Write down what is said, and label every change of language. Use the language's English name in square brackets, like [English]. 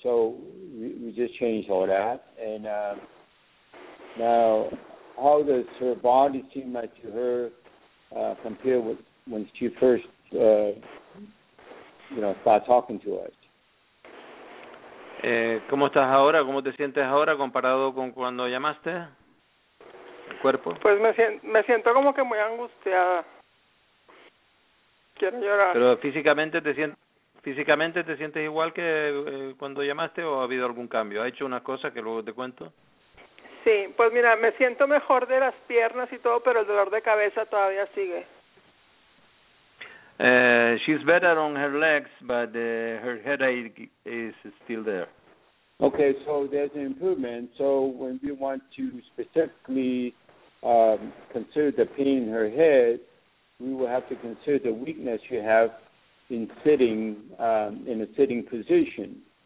[English] So we just changed all that. And now, how does her body seem like to her compared with when she first, you know, started talking to us? [Spanish] ¿Cómo estás ahora? ¿Cómo te sientes ahora comparado con cuando llamaste? ¿El cuerpo? Pues me siento como que muy angustiada. Quiero llorar. ¿Pero físicamente te sientes igual que cuando llamaste o ha habido algún cambio? ¿Ha hecho una cosa que luego te cuento? Sí, pues mira, me siento mejor de las piernas y todo, pero el dolor de cabeza todavía sigue. [English] She's better on her legs, but her headache is still there. Okay, so there's an improvement. So when we want to specifically consider the pain in her head, we will have to consider the weakness you have in sitting, in a sitting position.